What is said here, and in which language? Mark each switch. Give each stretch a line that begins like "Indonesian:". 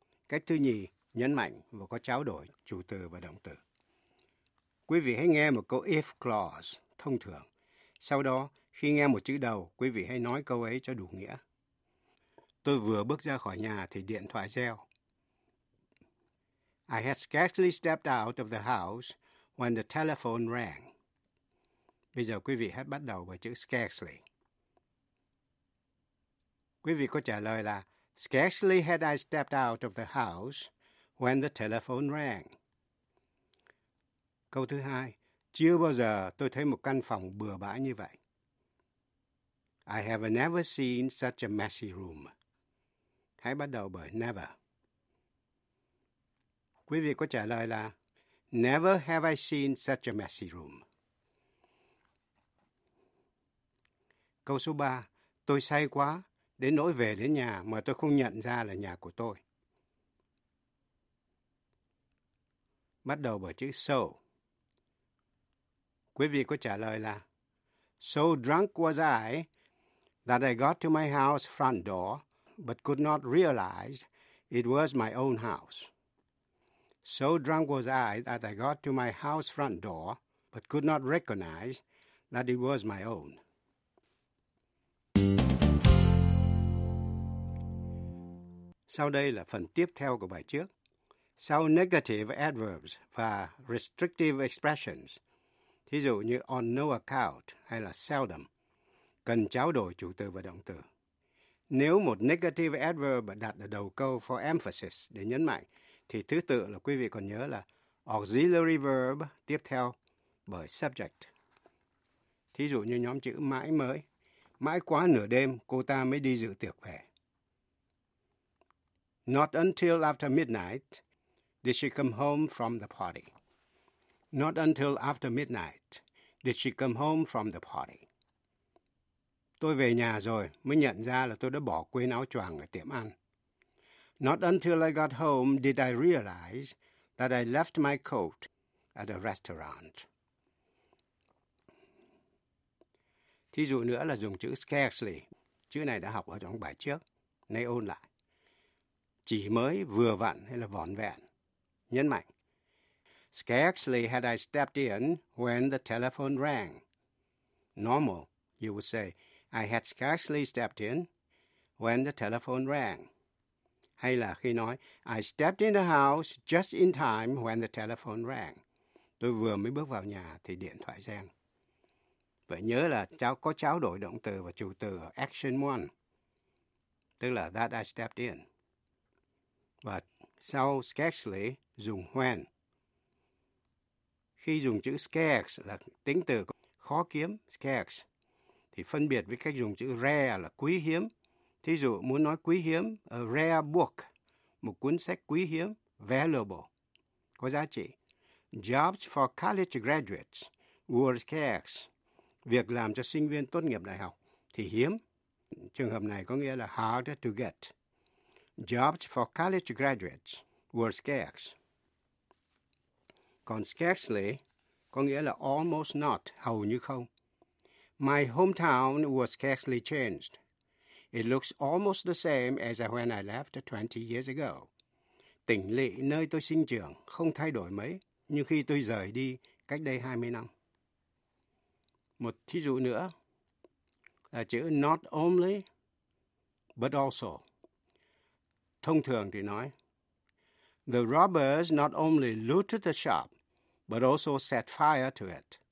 Vietnamese: Cách thứ nhì, nhấn mạnh và có trao đổi chủ từ và động từ. Quý vị hãy nghe một câu if clause thông thường. Sau đó, khi nghe một chữ đầu, quý vị hãy nói câu ấy cho đủ nghĩa. Tôi vừa bước ra khỏi nhà thì điện thoại reo.
English: I had scarcely stepped out of the house when the telephone rang.
Vietnamese: Bây giờ quý vị hãy bắt đầu với chữ scarcely. Quý vị có trả lời là
English: scarcely had I stepped out of the house when the telephone rang.
Vietnamese: Câu thứ hai, chưa bao giờ tôi thấy một căn phòng bừa bãi như vậy.
English: I have never seen such a messy room.
Vietnamese: Hãy bắt đầu bởi never. Quý vị có trả lời là
English: never have I seen such a messy room.
Vietnamese: Câu số ba, tôi say quá đến nỗi về đến nhà mà tôi không nhận ra là nhà của tôi. Bắt đầu bởi chữ so. Quý vị có trả lời là
English: so drunk was I that I got to my house front door but could not realize it was my own house. So drunk was I that I got to my house front door but could not recognize that it was my own.
Vietnamese: Sau đây là phần tiếp theo của bài trước. Sau negative adverbs và restrictive expressions, thí dụ như on no account hay là seldom, cần trao đổi chủ từ và động từ. Nếu một negative adverb đặt ở đầu câu
English: for emphasis
Vietnamese: để nhấn mạnh, thì thứ tự là quý vị còn nhớ là auxiliary verb tiếp theo bởi subject. Thí dụ như nhóm chữ mãi mới, mãi quá nửa đêm cô ta mới đi dự tiệc về.
English: Not until after midnight did she come home from the party. Not until after midnight did she come home from the party.
Vietnamese: Tôi về nhà rồi mới nhận ra là tôi đã bỏ quên áo choàng ở tiệm ăn.
English: Not until I got home did I realize that I left my coat at a restaurant.
Vietnamese: Thí dụ nữa là dùng chữ scarcely. Chữ này đã học ở trong bài trước. Nay ôn lại. Chỉ mới, vừa vặn hay là vỏn vẹn. Nhấn mạnh.
English: Scarcely had I stepped in when the telephone rang. Normal, you would say, I had scarcely stepped in when the telephone rang.
Vietnamese: Hay là khi nói,
English: I stepped in the house just in time when the telephone rang.
Vietnamese: Tôi vừa mới bước vào nhà thì điện thoại reng. Vậy nhớ là cháu có trao đổi động từ và chủ từ ở action 1. Tức là
English: that I stepped in.
Vietnamese: Và sau scarcely dùng when. Khi dùng chữ scarce là tính từ khó kiếm, scarce, thì phân biệt với cách dùng chữ rare là quý hiếm. Thí dụ, muốn nói quý hiếm,
English: a rare book,
Vietnamese: một cuốn sách quý hiếm, valuable, có giá trị.
English: Jobs for college graduates were scarce.
Vietnamese: Việc làm cho sinh viên tốt nghiệp đại học thì hiếm. Trường hợp này có nghĩa là
English: harder to get. Jobs for college graduates were scarce.
Vietnamese: Còn scarcely có nghĩa là
English: almost not,
Vietnamese: hầu như không.
English: My hometown was scarcely changed. It looks almost the same as when I left 20 years ago.
Vietnamese: Tỉnh lỵ nơi tôi sinh trưởng không thay đổi mấy như khi tôi rời đi cách đây 20 năm. Một thí dụ nữa là chữ not only, but also. Thông thường thì nói,
English: the robbers not only looted the shop, but also set fire to it.